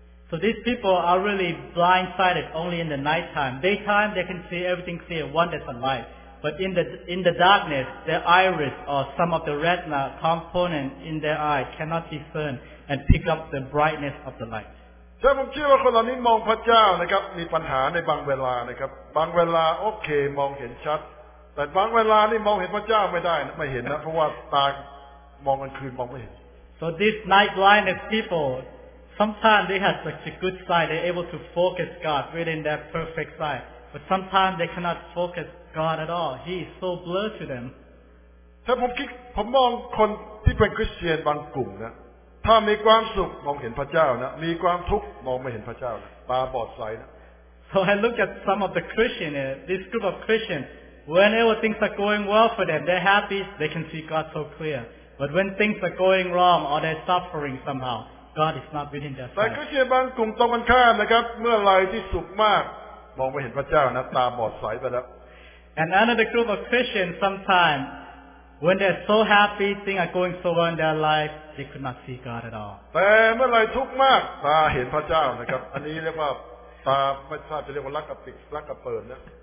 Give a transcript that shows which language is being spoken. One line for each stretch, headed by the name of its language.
English: So these people are really blindsided only in the night time daytime they can see everything clear one that's alightBut in the darkness, their iris or some of the retina component in their eye cannot discern and pick up the brightness of the light.
Thai: ใช่ผมคิดว่าคนเหล่านี้มองพระเจ้านะครับมีปัญหาในบางเวลานะครับบางเวลาโอเคมองเห็นชัดแต่บางเวลานี่มองเห็นพระเจ้าไม่ได้ไม่เห็นนะเพราะว่าตามองกลางคืนมองไม่เห็น
English: So these night blindness people, sometimes they have such a good sight, they're able to focus God within their perfect sight, but sometimes they cannot focus. God at all. He is so blurred to them.
Thai: ถ้าผมคิดผมมองคนที่เป็นคริสเตียนบางกลุ่มนะถ้ามีความสุขมองเห็นพระเจ้านะมีความทุกข์มองไม่เห็นพระเจ้านะตาบอดใสนะ
English: So I look at some of the Christians, this group of Christians, whenever things are going well for them, they're happy, they can see God so clear. But when things are going wrong or they're suffering somehow, God is not within their sight.
Thai: แต่คริสเตียนบางกลุ่มตรงกันข้ามนะครับเมื่อไรที่สุขมากมองไม่เห็นพระเจ้านะตาบอดใสไปแล้ว
English: And another group of Christians, sometimes, when they're so happy, things are going so well in their life, they could not see God at all.
Thai: แต่เมื่อไรทุกข์มากตาเห็นพระเจ้านะครับอันนี้เรียกว่าตาไม่ทราบจะเรียกว่าลักกระปิดลักกระเปิดนะ